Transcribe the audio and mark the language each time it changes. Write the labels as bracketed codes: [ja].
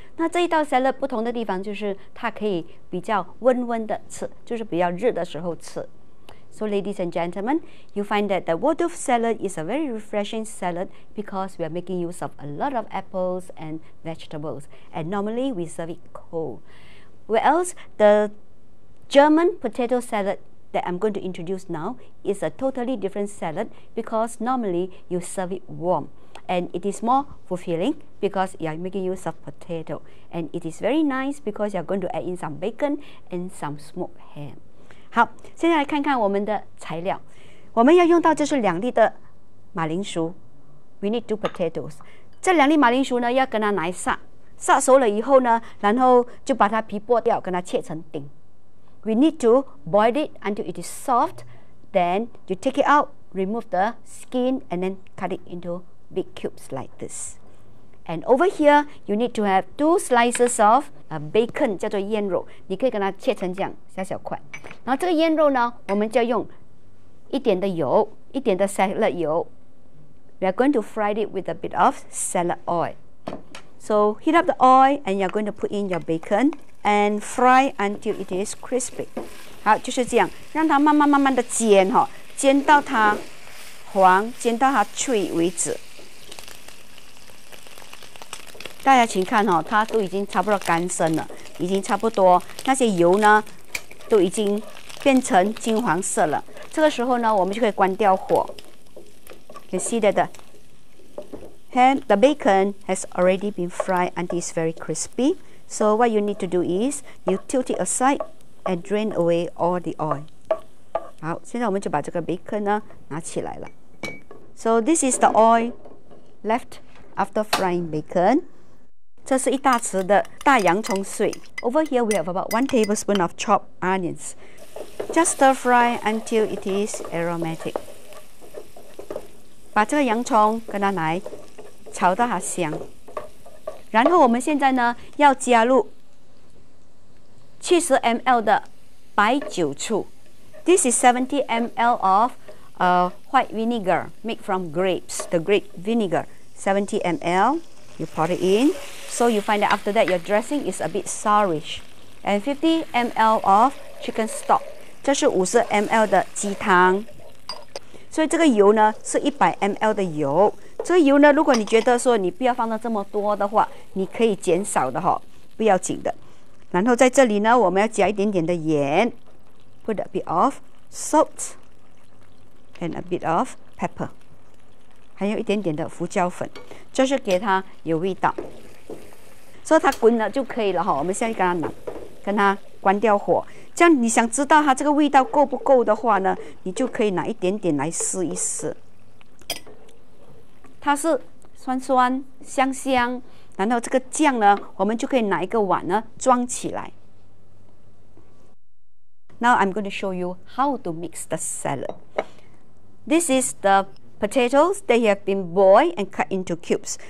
[zh] 那这一道 salad 不同的地方就是它可以比较温温的吃，就是比较热的时候吃。 [en] So ladies and gentlemen, you find that the Waldorf salad is a very refreshing salad because we are making use of a lot of apples and vegetables. And normally we serve it cold. Where else, the German potato salad that I'm going to introduce now is a totally different salad because normally you serve it warm. And it is more fulfilling because you are making use of potato. And it is very nice because you are going to add in some bacon and some smoked ham. [zh] 好，现在来看看我们的材料。我们要用到就是两粒的马铃薯 ， we need two potatoes。这两粒马铃薯呢，要跟它拿来晒熟了以后呢，然后就把它皮剥掉，跟它切成丁。 [en] We need to boil it until it is soft, then you take it out, remove the skin, and then cut it into big cubes like this. And over here, you need to have two slices of bacon, 叫做腌肉，你可以跟它切成这样小小块。 [zh] 然后这个腌肉呢，我们就要用一点的油，一点的 salad 油。 [en] We are going to fry it with a bit of salad oil. So heat up the oil, and you're going to put in your bacon and fry until it is crispy. [zh] 好，就是这样，让它慢慢慢慢的煎哈，煎到它黄，煎到它脆为止。大家请看哈，它都已经差不多干身了，已经差不多那些油呢。都已经变成金黄色了，这个时候呢，我们就可以关掉火。 [en] You see that the ham, the bacon has already been fried and is very crispy. So what you need to do is you tilt it aside and drain away all the oil. [zh] 好，现在我们就把这个 bacon 呢拿起来了。 [en] So this is the oil left after frying bacon. [zh] 这是一大匙的大洋葱碎。 [en] Over here we have about 1 tablespoon of chopped onions. Just stir fry until it is aromatic. [zh] 把这个洋葱跟它来炒到它香。然后我们现在呢要加入70ml 的白酒醋。 [en] This is 70ml of white vinegar made from grapes, the grape vinegar. 70ml, you pour it in. So you find that after that, your dressing is a bit sourish. And 50ml of chicken stock. 这是50ml 的鸡汤。 [zh] 所以这个油呢是100ml 的油。这个油呢，如果你觉得说你不要放到这么多的话，你可以减少的哈，不要紧的。然后在这里呢，我们要加一点点的盐 ， put a bit of salt and a bit of pepper，还有一点点的胡椒粉，就是给它有味道。所以它滚了就可以了，我们现在跟它拿，跟它关掉火。这样你想知道它这个味道够不够的话呢，你就可以拿一点点来试一试。它是酸酸香香，然后这个酱呢，我们就可以拿一个碗呢装起来。 [en] Now I'm going to show you how to mix the salad. This is the potatoes that have been boiled and cut into cubes.